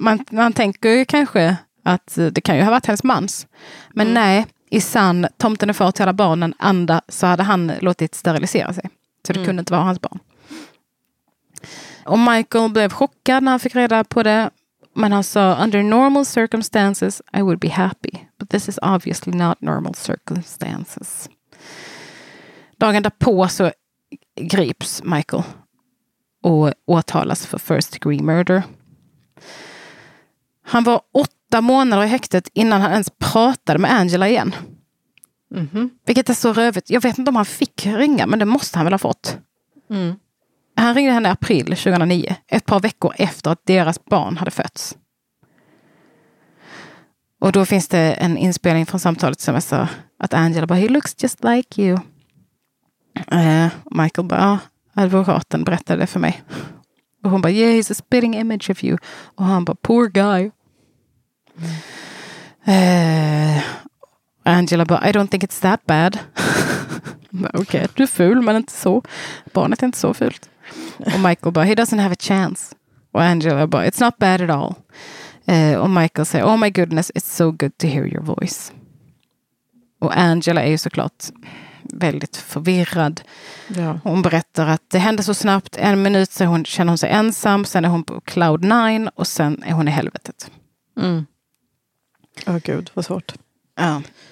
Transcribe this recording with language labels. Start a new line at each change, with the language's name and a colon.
Swedish: Man tänker ju kanske att det kan ju ha varit hennes mans. Men nej, i sann tomten är far till alla barnen anda så hade han låtit sterilisera sig. Så det kunde inte vara hans barn. Och Michael blev chockad när han fick reda på det. Men han sa,
English: under normal circumstances I would be happy. But this is obviously not normal circumstances.
Swedish: Dagen därpå så grips Michael och åtalas för first degree murder. Han var 8 månader i häktet innan han ens pratade med Angela igen. Mm-hmm. Vilket är så rövigt. Jag vet inte om han fick ringa, men det måste han väl ha fått. Mm. Han ringde henne i april 2009, ett par veckor efter att deras barn hade fötts. Och då finns det en inspelning från samtalet som jag sa att Angela bara,
English: he looks just like you.
Swedish: Michael bara, advokaten berättade det för mig. Och hon bara,
English: yeah, he's a spitting image of you.
Swedish: Och han bara,
English: poor guy. Angela bara, I don't think it's that bad.
Swedish: Okej, du är ful, men inte så. Barnet är inte så fult. Och Michael bara,
English: he doesn't have a chance.
Swedish: Och Angela bara,
English: it's not bad at all.
Swedish: Och Michael säger,
English: oh my goodness, it's so good to hear your voice.
Swedish: Och Angela är ju såklart väldigt förvirrad. Ja. Hon berättar att det hände så snabbt, en minut så hon, känner hon sig ensam, sen är hon på cloud nine och sen är hon i helvetet. Åh gud, vad svårt. Ja.